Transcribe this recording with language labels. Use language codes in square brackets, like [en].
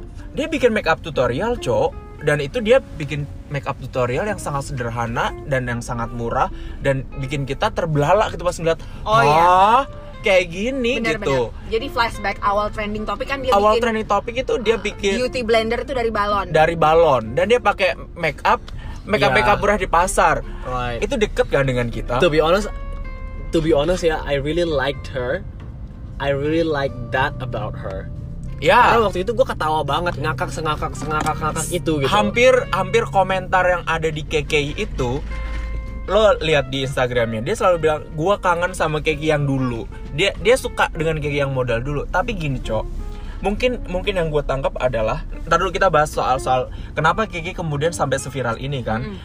[id] Dia bikin makeup tutorial, Cok, dan itu dia bikin makeup tutorial yang sangat sederhana dan yang sangat murah dan bikin kita terbelalak gitu pas ngeliat. Oh iya. kayak gini bener, gitu. Bener. Jadi flashback awal trending topic kan dia awal bikin, trending topic itu dia bikin beauty blender itu dari balon. Dari balon dan dia pakai makeup murah di pasar. [en] Right. [id] Itu deket kan dengan kita? [en] To be honest ya, I really liked her. I really like that about her. [id] Ya. Karena waktu itu gue ketawa banget, ngakak itu gitu. Hampir komentar yang ada di KKI itu, lo lihat di Instagramnya, dia selalu bilang gue kangen sama KKI yang dulu. Dia suka dengan KKI yang modal dulu. Tapi gini cok, mungkin yang gue tangkap adalah, ntar dulu kita bahas soal kenapa KKI kemudian sampai seviral ini kan.